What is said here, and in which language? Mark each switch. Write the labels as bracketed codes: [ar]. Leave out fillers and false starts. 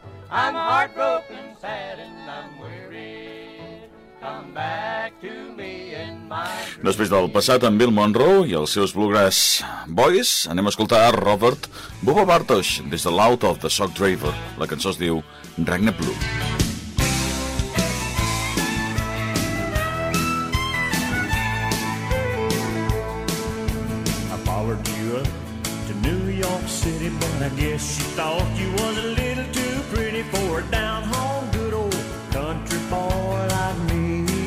[en] I'm heartbroken, sad, and I'm weary. Come back to me in my dream. [ca] Després del passat amb Bill Monroe i els seus Bluegrass Boys, anem a escoltar Robert Bubba Bartosz des de l'Out of the Sock Driver. La cançó es diu Ragnar Blue. [en] I followed you up to New York City, but I guess you thought you was a little too for a down-home good old country boy like me.